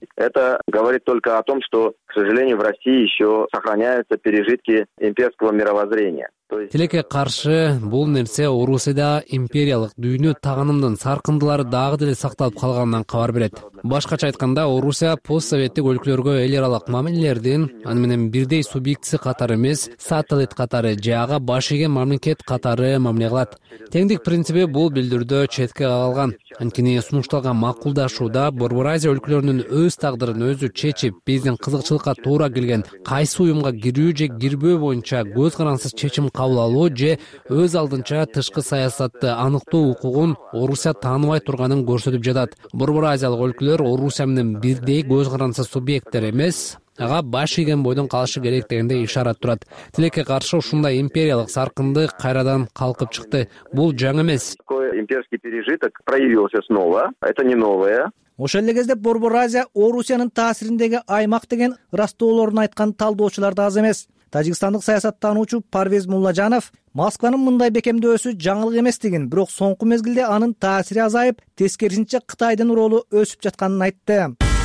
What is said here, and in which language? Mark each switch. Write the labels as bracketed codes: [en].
[ru] Это говорит только о том, что, к сожалению, в России еще сохраняются пережитки имперского мировоззрения. [ky] Тилекке каршы бул нерсе Орусияда империялык дүйнө таанымдын саркындылары дагы деле сакталып калганынан кабар берет. Башкача айтканда, Орусия постсоветтик өлкөлөргө эл аралык мамилелердин аны менен бирдей субъектиси катары эмес, сателлит катары же ага баш ийген мамлекет катары мамиле кылат. Теңдик принциби бул билдирүүдө четке кагылган. Анткени сунушталган макулдашууда Борбор Азия өлкөлөрүнүн өз тагдырын өзү чечип, биздин кызыкчылыкка туура келген кайсы уюмга кирүү же кирбөө боюнча көз карансыз чечим кабыл алуу же өз алдынча тышкы саясатты аныктоо укугун Орусия тааныбай турганын көрсөтүп жатат. Борбор Азиялык өлкөлөр Орусия менен бирдей көз карансыз субъекттер эмес, ага баш ийген бойдон калышы керек дегенде ишарат турат. Тилекке каршы ушундай империялык саркынды кайрадан калкып чыкты. Бул жаңы эмес. [ru] Имперский пережиток проявился снова. Это не новое. [ky] Ошол эле кезде Борбор Азия Орусиянын таасириндеги аймак деген ырастоолорун айткан талдоочулар да аз эмес. Тажикстандык саясаттануучу Парвез Муллажанов Москванын мындай бекемдөөсү жаңылык эместигин, бирок соңку мезгилде анын таасири азайып, тескерисинче Кытайдын ролу өсүп жатканын айтты.